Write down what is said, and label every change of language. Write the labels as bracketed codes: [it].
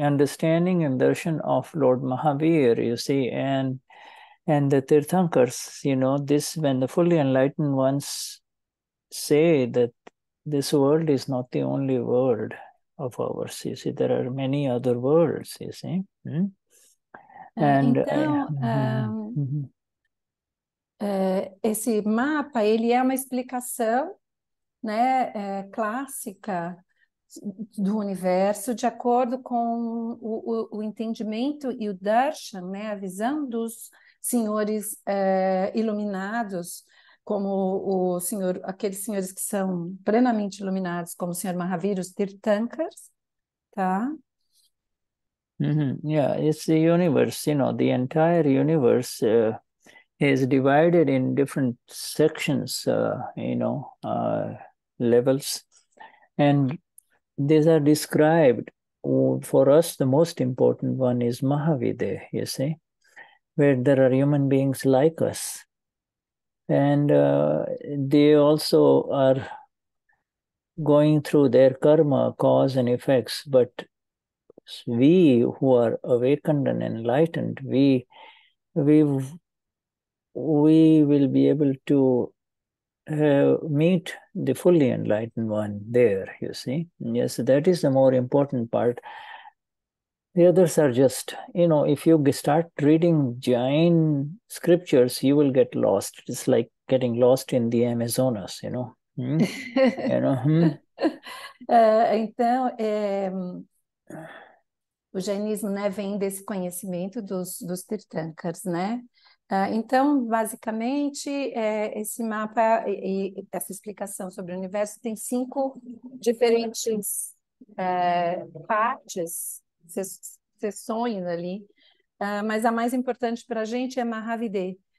[en] Understanding and darshan of Lord Mahavir, you see, and the Tirthankars, you know, this when the fully enlightened ones say that this world is not the only world of ours, you see, there are many other worlds, you see. And [pt] então, esse mapa, ele é uma explicação, né, clássica do universo, de acordo com o entendimento e o darshan, né, a visão dos senhores iluminados, como o senhor, aqueles senhores que são plenamente iluminados, como o senhor Mahavir, os Tirthankars, tá? [en] Yeah, it's the universe, you know, the entire universe is divided in different sections, you know, levels. And these are described for us, the most important one is Mahavide, you see, where there are human beings like us. And they also are going through their karma, cause and effects, but we who are awakened and enlightened, we will be able to meet the fully enlightened one there, you see. Yes, that is the more important part. The others are just, you know, if you start reading Jain scriptures, you will get lost. It's like getting lost in the Amazonas, you know. You know. [pt] Então, o jainismo, né, vem desse conhecimento dos Tirthankars, né? Então, basicamente, esse mapa e essa explicação sobre o universo tem cinco diferentes partes, seções ali, mas a mais importante para a gente é Mahavide.